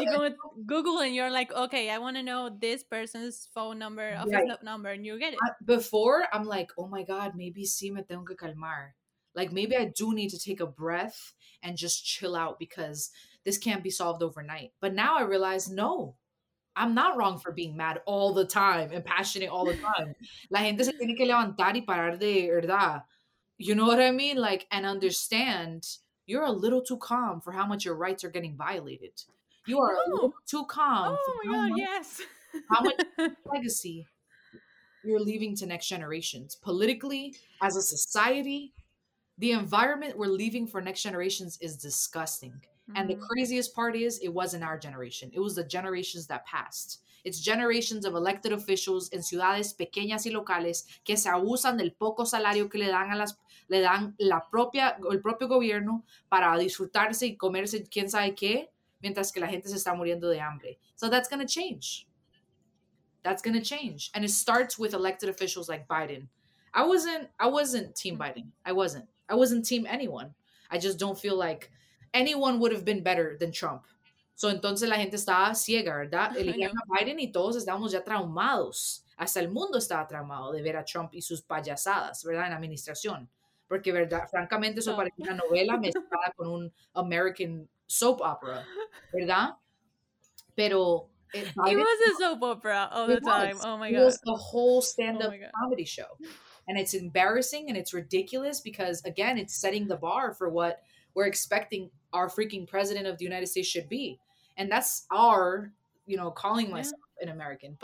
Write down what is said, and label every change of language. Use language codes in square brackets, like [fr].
[en] you go with Google and you're like, okay, I want to know this person's phone number, office number, and you get it. Before, I'm like, oh my God, maybe [es] sí me tengo que calmar. [en] Like, maybe I do need to take a breath and just chill out because this can't be solved overnight. But now I realize, no, I'm not wrong for being mad all the time and passionate all the time. [es] La gente se tiene que levantar y parar de verdad. [en] You know what I mean? Like, and understand, you're a little too calm for how much your rights are getting violated. You are a little too calm. How much legacy you're leaving to next generations. Politically, as a society, the environment we're leaving for next generations is disgusting. And the craziest part is it wasn't our generation. It was the generations that passed. It's generations of elected officials in [es] ciudades pequeñas y locales que se abusan del poco salario que le dan el propio gobierno para disfrutarse y comerse quién sabe qué, mientras que la gente se está muriendo de hambre. [en] So that's going to change. That's going to change. And it starts with elected officials like Biden. I wasn't team Biden. I wasn't team anyone. I just don't feel like anyone would have been better than Trump. [es] So entonces la gente estaba ciega, ¿verdad? Eligieron a Biden y todos estábamos ya traumados. Hasta el mundo estaba traumado de ver a Trump y sus payasadas, ¿verdad? En la administración. Porque, ¿verdad? Francamente, eso parece una novela mezclada con un [en] American soap opera, [es] ¿verdad? Pero... [en] It was a soap opera all the time. Oh my God. It was a whole stand-up comedy show. And it's embarrassing and it's ridiculous because, again, it's setting the bar for what we're expecting our freaking president of the United States should be. And that's our, you know, calling myself an American.